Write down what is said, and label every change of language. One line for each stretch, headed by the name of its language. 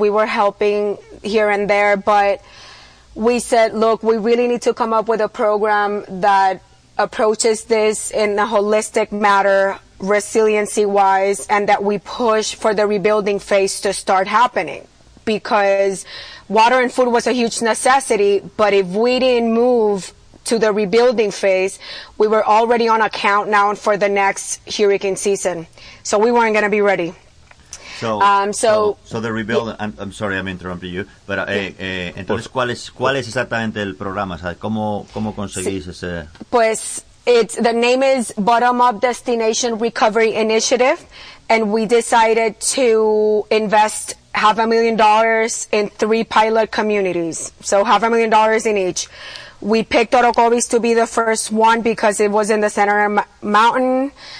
English: We were helping here and there. But we said, look, we really need to come up with a program that approaches this in a holistic manner, resiliency-wise, and that we push for the rebuilding phase to start happening. Because water and food was a huge necessity, but if we didn't move to the rebuilding phase, we were already on a countdown for the next hurricane season. So we weren't going to be ready. So the rebuilding, yeah. I'm sorry, I'm interrupting you, but
Spanish: entonces, ¿cuál es exactamente el programa? O sea, ¿cómo conseguís ese? Pues,
English: the name is Bottom-Up Destination Recovery Initiative, and we decided to invest $500,000 in 3 pilot communities. So $500,000 in each. We picked Orocovis to be the first one because it was in the center of mountain.